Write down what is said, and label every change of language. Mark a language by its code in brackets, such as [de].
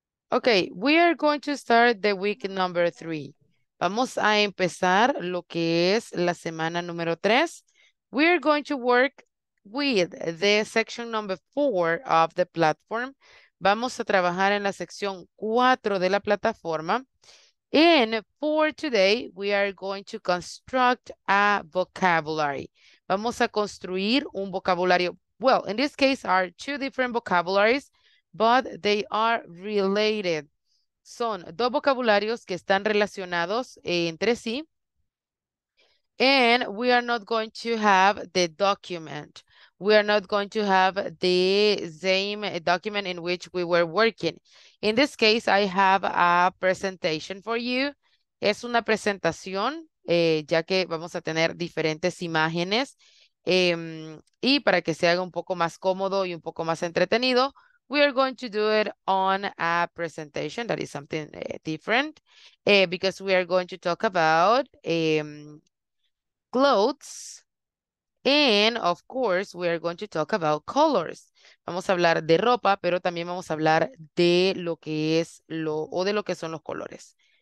[en] Okay, we are going to start the week number three. [es] Vamos a empezar lo que es la semana número tres. [en] We are going to work with the section number four of the platform. [es] Vamos a trabajar en la sección cuatro de la plataforma. [en] And for today, we are going to construct a vocabulary. [es] Vamos a construir un vocabulario. [en] Well, in this case, are two different vocabularies, but they are related. [es] Son dos vocabularios que están relacionados entre sí. [en] And we are not going to have the document. We are not going to have the same document in which we were working. In this case, I have a presentation for you. [es] Es una presentación, ya que vamos a tener diferentes imágenes. Y para que se haga un poco más cómodo y un poco más entretenido, [en] we are going to do it on a presentation. That is something different, because we are going to talk about clothes. And of course, we are going to talk about colors. [es] Vamos a hablar de ropa, pero también vamos a hablar de lo que es lo o de lo que son los colores.